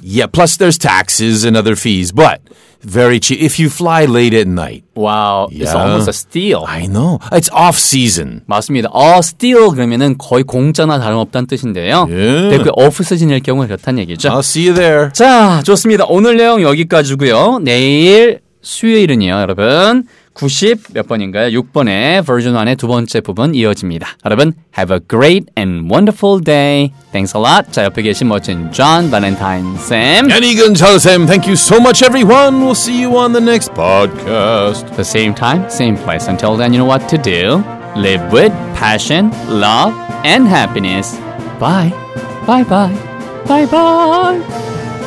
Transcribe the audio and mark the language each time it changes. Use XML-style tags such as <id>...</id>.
<en>Yeah, plus there's taxes and other fees, but very cheap if you fly late at night. Wow, yeah. It's almost a steal. I know. It's off-season.</en> <ko>맞습니다.</ko> <en>A steal</en> <ko>그러면 거의 공짜나 다름없다는 뜻인데요.</ko> <en>Yeah.</en> <ko>대구 off-season일 경우 그렇다는 얘기죠.</ko> <en>I'll see you there.</en> <ko>자, 좋습니다. 오늘 내용 여기까지고요. 내일 수요일은요, 여러분. 90 몇 번인가요? 6번의 버전 1의 두 번째 부분 이어집니다.</ko> <en>여러분, have a great and wonderful day. Thanks a lot.</en> <ko>자, 옆에 계신 멋진 존, 발렌타인, 샘.</ko> <en>애니근, 잘, 샘. Thank you so much, everyone. We'll see you on the next podcast. The same time, same place. Until then, you know what to do. Live with passion, love, and happiness. Bye. Bye-bye. Bye-bye.</en>